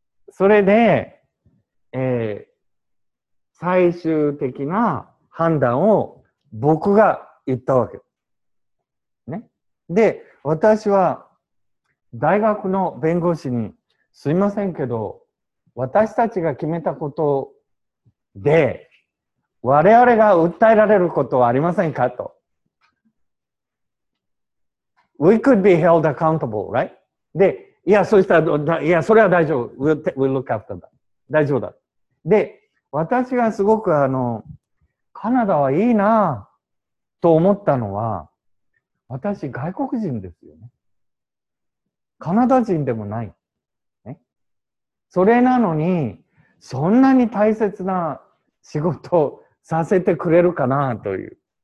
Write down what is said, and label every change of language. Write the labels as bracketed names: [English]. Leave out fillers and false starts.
[Japanese] それで、最終的な判断を僕が言ったわけ。ね。で、私は、大学の弁護士に、すいませんけど、私たちが決めたことで、我々が訴えられることはありませんかと。 [English] We could be held accountable, right? [Japanese] で、いや、そうしたら、いや、それは大丈夫。 [English] We'll look after that. [Japanese] 大丈夫だ。で、私がすごくカナダはいいなぁと思ったのは、私、外国人ですよね。カナダ人でもない。ね。それなのに、そんなに大切な仕事をさせてくれるかなぁという。